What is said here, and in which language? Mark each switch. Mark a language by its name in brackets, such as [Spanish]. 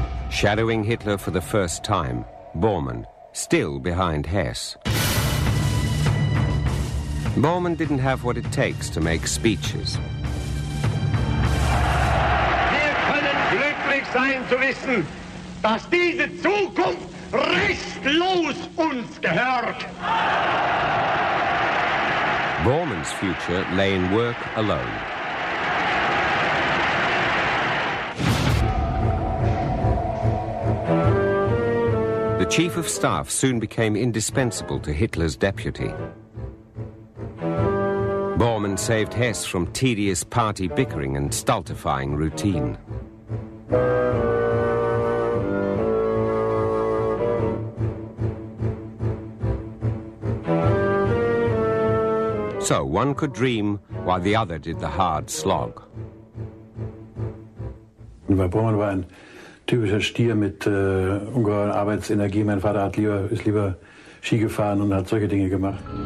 [English] Shadowing Hitler for the first time, Bormann, still behind Hess. Bormann didn't have what it takes to make speeches. [German] Wir können glücklich sein zu wissen, dass diese Zukunft restlos uns gehört. [English] Bormann's future lay in work alone. The chief of staff soon became indispensable to Hitler's deputy. Bormann saved Hess from tedious party bickering and stultifying routine. So one could dream while the other did the hard slog. [German] Bormann war ein typischer Stier mit ungeheuren Arbeitsenergie. Mein Vater ist lieber Ski gefahren und hat solche Dinge gemacht.